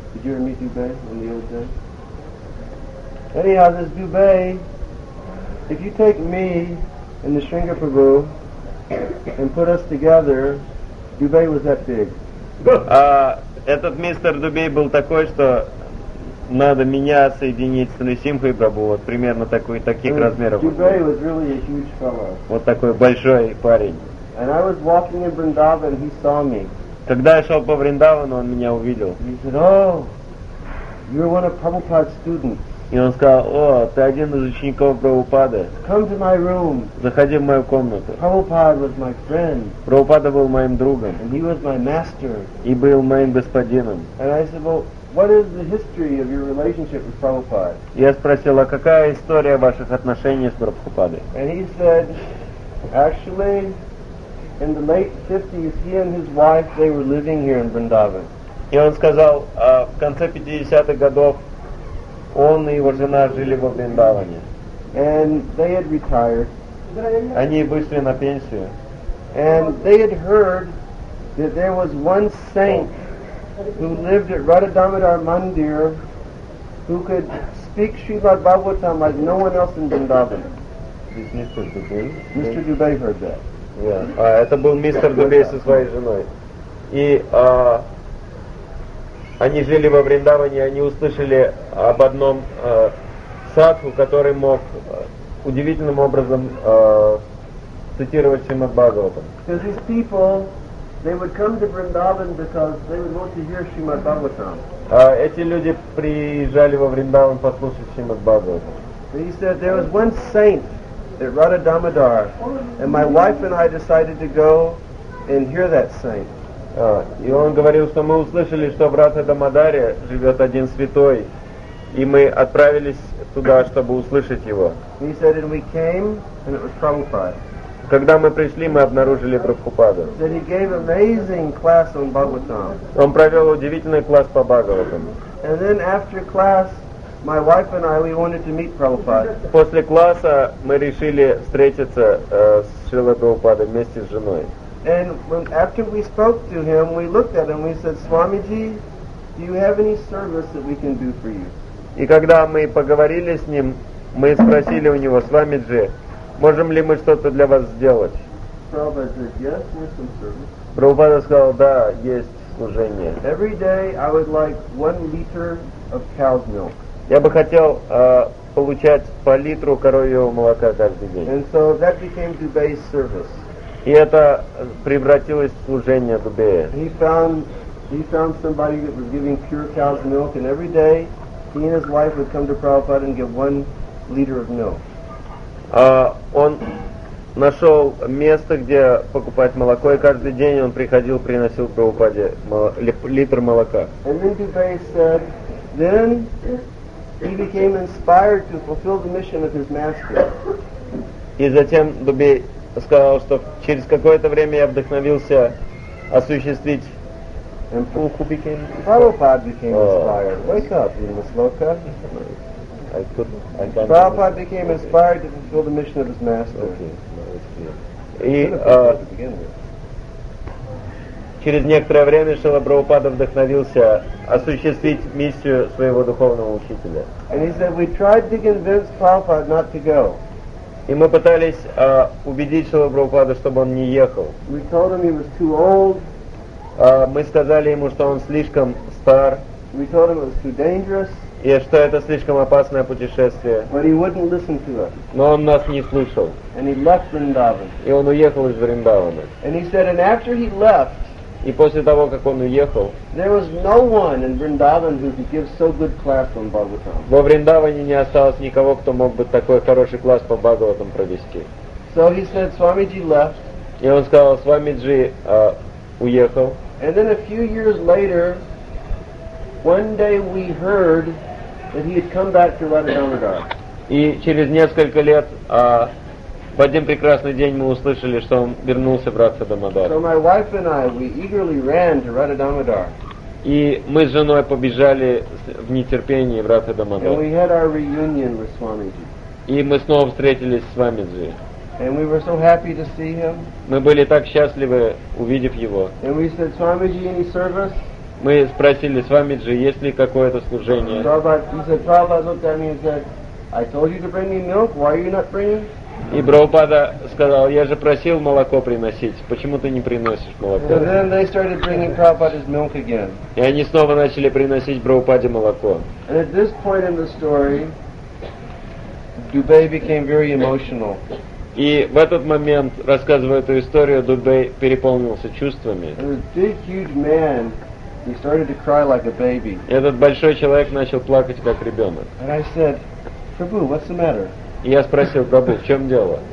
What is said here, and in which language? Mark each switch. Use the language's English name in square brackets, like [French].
[English] Did you ever meet Dubey in the old days? Anyhow, this Dubey, if you take me and the Sringa Prabhu and put us together, Dubey was that big. [Russian] Этот мистер Дубей был такой, что надо меня соединить с Нарисимхой Прабху, вот примерно такой, таких размеров. [English] Джугай was really a huge fellow. [Russian] Вот такой большой парень. [English] And I was walking in Vrindavan, he saw me. [Russian] Когда я шел по Вриндавану, он меня увидел. [English] He said, "Oh, you're one of Prabhupada's students." [Russian] И он сказал, о, ты один из учеников Прабхупады. [English] Come to my room. [Russian] Заходи в мою комнату. [English] Prabhupada was my friend. [Russian] Прабхупада был моим другом. [English] And he was my master. [Russian] И был моим господином. [English] And I said, well, what is the history of your relationship with Prabhupada? [Russian] Я спросил, а какая история ваших отношений с Прабхупадой? [English] And he said, actually, in the late 50s, he and his wife, they were living here in Vrindavan. [Russian] И он сказал, а в конце 50-х годов он и его жена жили во Вриндаване. [English] And they had retired. [Russian] Они вышли на пенсию. [English] And they had heard that there was one saint who lived at Radha-Damodar Mandir who could speak Srimad Bhagavatam like no one else in Vrindavan. This Mr. Dubey? Mr. Dubey heard that. Yeah. [Russian] Это был мистер Дубей со своей женой. И они жили во Вриндаване, они услышали об одном садху, который мог удивительным образом цитировать Шримад Бхагаватам. [English] Because these people, they would come to Vrindavan because they would want to hear Shrimad Bhagavatam. [Russian] Эти люди приезжали во Вриндаван послушать Шримад Бхагаватам. [English] He said there was one saint at Radha Damodar, and my wife and I decided to go and hear that saint. [Russian] И он говорил, что мы услышали, что в Радха-Дамодаре живет один святой, и мы отправились туда, чтобы услышать его. [English] He said, and we came, and it was Prabhupada. [Russian] Когда мы пришли, мы обнаружили Прабхупаду. [English] That he gave amazing class on Bhagavatam. [Russian] Он провел удивительный класс по Бхагаватам. [English] And then after class, my wife and I, we wanted to meet Prabhupada. [Russian] После класса мы решили встретиться с Шрилой Прабхупадой вместе с женой. [English] And when, after we spoke to him, we looked at him, we said, Swamiji, do you have any service that we can do for you? [Russian] И когда мы поговорили с ним, мы спросили у него, Свамиджи, можем ли мы что-то для вас сделать? [English] Prabhupada said, yes, there's some service. [Russian] Прабхупада сказал, да, есть служение. [English] Every day I would like 1 liter of cow's milk. [Russian] Я бы хотел получать по литру коровьего молока каждый день. [English] And so that became Dubey's service. [Russian] И это превратилось в служение Дубея. [English] He found somebody that was giving pure cow's milk, and every day he and his wife would come to Prabhupada and give 1 liter of milk. [Russian] Он нашел место, где покупать молоко, и каждый день он приходил, приносил Прабхупаде литр молока. [English] And then Dubey said, then he became inspired to fulfill the mission of his master. [Russian] И затем Дубей сказал, что через какое-то время я вдохновился осуществить. [English] And who became? Prabhupada became inspired. Wake up, you Masloka. I can't. Prabhupada became inspired to fulfill the mission of his master. Okay. No, it's clear. [Russian] Через некоторое время Шрила Прабхупада вдохновился осуществить миссию своего духовного учителя. [English] And he said, we tried to convince Prabhupada not to go. [Russian] И мы пытались убедить Шрила Прабхупада, чтобы он не ехал. [English] We told him he was too old. [Russian] Мы сказали ему, что он слишком стар. [English] We told him it was too dangerous. [Russian] И что это слишком опасное путешествие. [English] But he wouldn't listen to us. [Russian] Но он нас не слышал. [English] And he left Vrindavan. [Russian] И он уехал из Вриндавана. [English] And he said, and after he left, [Russian] и после того, как он уехал, [English] there was no one in Vrindavan who could give so good class on Bhagavatam. [Russian] Во Вриндаване не осталось никого, кто мог бы такой хороший класс по Бхагаватам провести. [English] So he said, Swamiji left. [Russian] И он сказал, Свамиджи уехал. [English] And then a few years later, one day we heard that he had come back to Radha-Damodar. [Russian] И через несколько лет в один прекрасный день мы услышали, что он вернулся в Радха-Дамодар. [English] So my wife and I, we eagerly ran to Radha-Damodar. [Russian] И мы с женой побежали в нетерпении в Радха-Дамодар. [English] And we had our reunion with Swamiji. [Russian] И мы снова встретились с Свамиджи. [English] And we were so happy to see him. [Russian] Мы были так счастливы, увидев его. [English] And we said, Swamiji, any service? [Russian] Мы спросили, Свамиджи, есть ли какое-то служение? [English] Prabhupada looked at me and said, I told you to bring me milk, why are you not bringing? [Russian] И Прабхупада сказал, я же просил молоко приносить, почему ты не приносишь молоко? [English] So then they started bringing Prabhupada's milk again. [Russian] И они снова начали приносить Прабхупаде молоко. [English] And at this point in the story, Dubey became very emotional. [Russian] И в этот момент, рассказывая эту историю, Дубей переполнился чувствами. [English] Big, huge man, he started to cry like a baby. [Russian] И этот большой человек начал плакать, как ребенок. [English] And I said, Prabhu, what's the matter? [Russian] И я спросил Прабху, в чем дело?